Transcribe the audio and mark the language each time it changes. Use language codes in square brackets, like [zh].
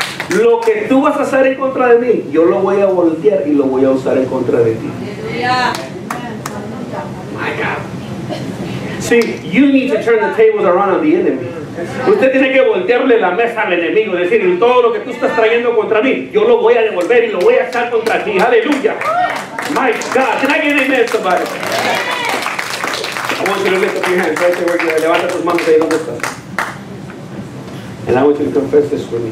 [es] Lo que tú vas a hacer en contra de mí, yo lo voy a voltear y lo voy a usar en contra de ti. [en] My God. See, you need to turn the tables around on the enemy. [es] Usted tiene que voltearle la mesa al enemigo, decir, todo lo que tú estás trayendo contra mí, yo lo voy a devolver y lo voy a echar contra ti. [en] Aleluya. My God, can I get an amen, somebody? I want you to lift up your hands right there where you are. [es] Levanta tus manos ahí donde estás. [en] And I want you to confess this with me.